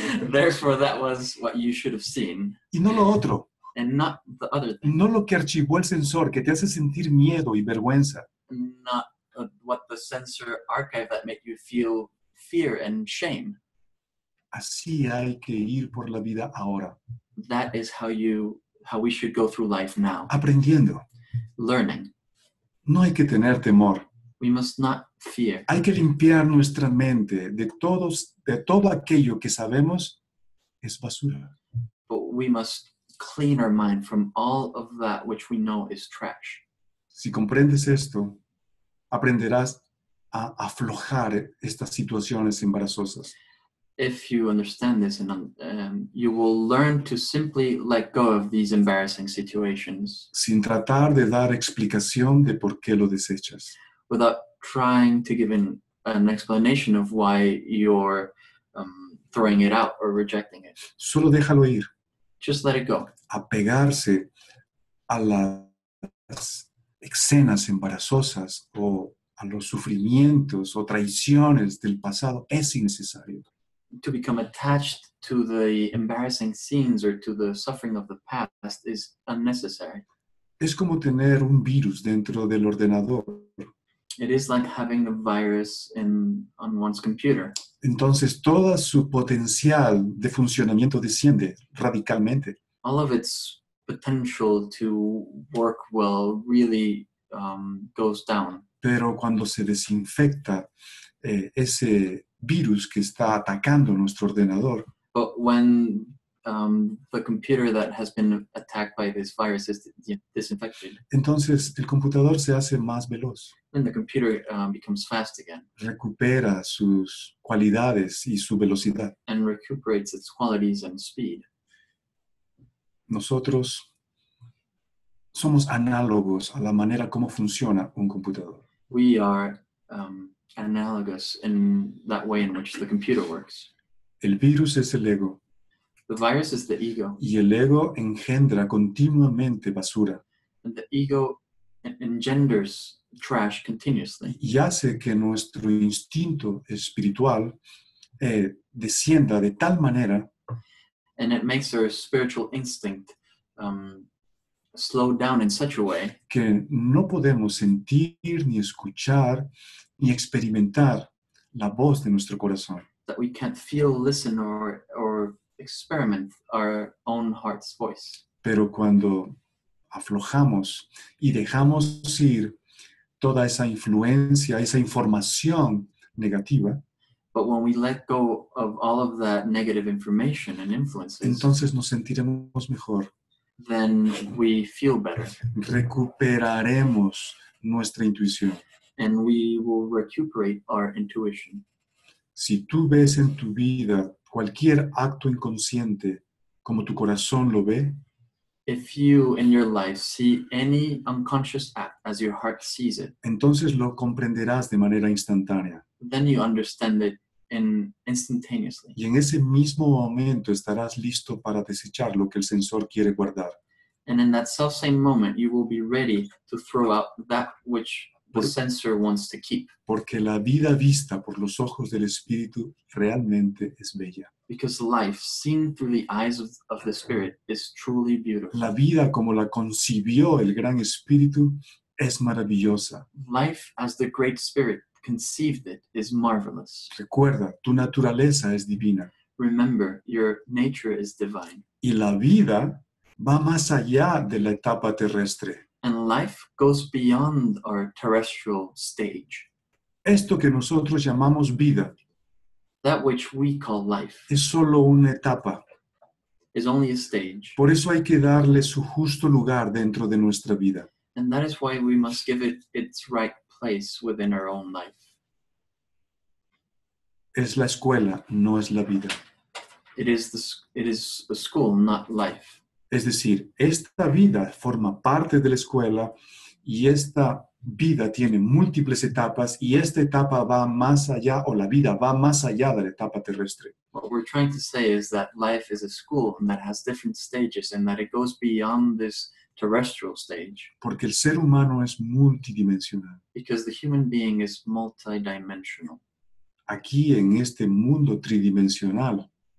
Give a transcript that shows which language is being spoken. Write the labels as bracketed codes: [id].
[en] Therefore, that was what you should have seen. [es] Y no lo otro. [en] And not the other thing. [es] No lo que archivó el sensor, que te hace sentir miedo y vergüenza. [en] Not what the sensor archive that made you feel fear and shame. [es] Así hay que ir por la vida ahora. [en] That is how we should go through life now. [es] Aprendiendo. [en] Learning. [es] No hay que tener temor. [en] We must not fear. [es] Hay que limpiar nuestra mente de todo aquello que sabemos es basura. [en] But we must clean our mind from all of that which we know is trash. [es] Si comprendes esto, aprenderás a aflojar estas situaciones embarazosas. [en] If you understand this, and you will learn to simply let go of these embarrassing situations. [es] Sin tratar de dar explicación de por qué lo desechas. [en] Without trying to give an explanation of why you're throwing it out or rejecting it. [es] Solo déjalo ir. [en] Just let it go. [es] Apegarse a las escenas embarazosas o a los sufrimientos o traiciones del pasado es innecesario. [en] To become attached to the embarrassing scenes or to the suffering of the past is unnecessary. [es] Es como tener un virus dentro del ordenador. [en] It is like having a virus on one's computer. [es] Entonces, todo su potencial de funcionamiento desciende radicalmente. [en] All of its potential to work well really goes down. [es] Pero cuando se desinfecta ese virus que está atacando nuestro ordenador. [en] But when the computer that has been attacked by this virus is disinfected. [es] Entonces, el computador se hace más veloz. [en] And the computer becomes fast again. [es] Recupera sus cualidades y su velocidad. [en] And recuperates its qualities and speed. [es] Nosotros somos análogos a la manera como funciona un computador. [en] We are analogous in that way in which the computer works. [es] El virus es el ego. [en] The virus is the ego. [es] Y el ego engendra continuamente basura. [en] And the ego engenders trash continuously. [es] Y hace que nuestro instinto espiritual descienda de tal manera. [en] And it makes our spiritual instinct slow down in such a way [es] que no podemos sentir ni escuchar ni experimentar la voz de nuestro corazón. [en] That we can't feel, listen, or experiment our own heart's voice. [es] Pero cuando aflojamos y dejamos ir toda esa influencia, esa información negativa, [en] but when we let go of all of that negative information and influences, [es] entonces nos sentiremos mejor. [en] Then we feel better. [es] Recuperaremos nuestra intuición. [en] And we will recuperate our intuition. [es] Si tú ves en tu vida cualquier acto inconsciente como tu corazón lo ve, [en] if you in your life see any unconscious act as your heart sees it, [es] entonces lo comprenderás de manera instantánea. [en] Then you understand it instantaneously. [es] Y en ese mismo momento estarás listo para desechar lo que el sensor quiere guardar. [en] And in that self same moment you will be ready to throw out that which the sensor wants to keep. [es] Porque la vida vista por los ojos del espíritu realmente es bella. [en] Because life seen through the eyes of the spirit is truly beautiful. [es] La vida como la concibió el gran espíritu es maravillosa. [en] Life as the great spirit conceived it is marvelous. [es] Recuerda, tu naturaleza es divina. [en] Remember, your nature is divine. [es] Y la vida va más allá de la etapa terrestre. [en] And life goes beyond our terrestrial stage. [es] Esto que nosotros llamamos vida, [en] that which we call life, [es] es solo una etapa. [en] Is only a stage. [es] Por eso hay que darle su justo lugar dentro de nuestra vida. [en] And that is why we must give it its right place within our own life. [es] Es la escuela, no es la vida. [en] It is a school, not life. [es] Es decir, esta vida forma parte de la escuela y esta vida tiene múltiples etapas y esta etapa va más allá, o la vida va más allá de la etapa terrestre. [en] What we're trying to say is that life is a school and that has different stages and that it goes beyond this terrestrial stage. [es] Porque el ser humano es multidimensional. [en] Because the human being is multidimensional. [es] Aquí en este mundo tridimensional.